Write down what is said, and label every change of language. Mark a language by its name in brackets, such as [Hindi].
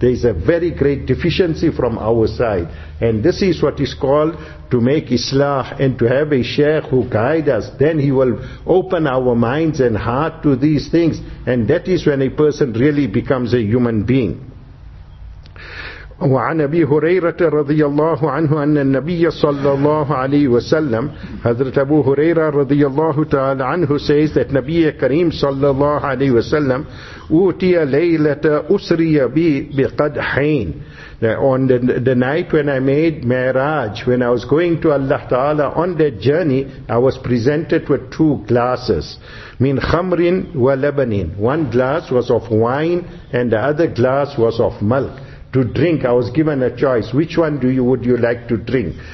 [English] There is a very great deficiency from our side. And this is what is called to make islah and to have a sheikh who guide us. Then he will open our minds and heart to these things. And that is when a person really becomes a human being. [Arabic] وعن أبي هريرة رضي الله عنه أن النبي صلى الله عليه وسلم حضرت أبو هريرة رضي الله تعالى عنه [English] says that [Arabic] نبي كريم صلى الله عليه وسلم أوتي ليلة أسري بي بقدحين. [English] On the night when I made Mi'raj, when I was going to Allah Ta'ala on that journey, I was presented with two glasses. [Arabic] Min khamrin wa labanin. [English] One glass was of wine and the other glass was of milk. To drink, I was given a choice. Which one would you like to drink?